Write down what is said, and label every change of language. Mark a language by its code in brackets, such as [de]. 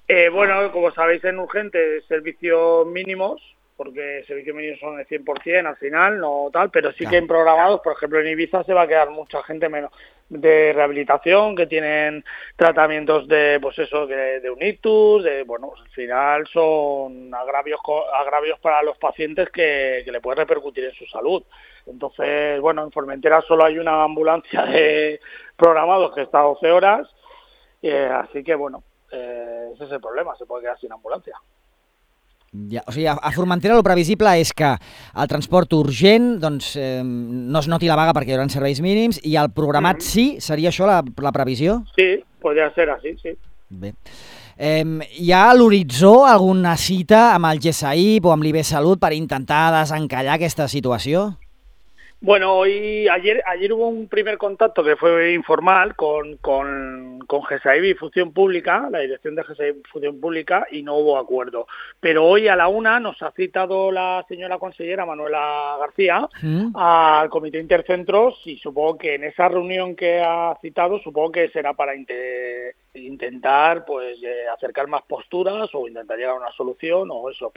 [es] Bueno, como sabéis, en urgente, servicios mínimos, porque servicios mínimos son de 100% al final, no tal, pero sí que en programados, por ejemplo, en Ibiza se va a quedar mucha gente menos de rehabilitación, que tienen tratamientos de, pues eso, de un ictus, de, bueno, al final son agravios para los pacientes que le puede repercutir en su salud. Entonces, bueno, en Formentera solo hay una ambulancia de programados que está 12 horas, así que, bueno, ese es el problema, se puede quedar sin ambulancia. [ca] Ja, o sigui, a Formentera el previsible és que el transport urgent doncs, no es noti la vaga perquè hi haurà serveis mínims i el programat sí, seria això la previsió? Sí, podria ser així, sí. Bé. Hi ha a l'horitzó alguna cita amb el GESAI o amb l'IB Salut per intentar desencallar aquesta situació? [es] Bueno, ayer hubo un primer contacto que fue informal con GESAI y Función Pública, la dirección de GESAI y Función Pública, y no hubo acuerdo. Pero hoy a la una nos ha citado la señora consellera Manuela García al Comité Intercentros y supongo que en esa reunión que ha citado, supongo que será para intentar pues acercar más posturas o intentar llegar a una solución o eso.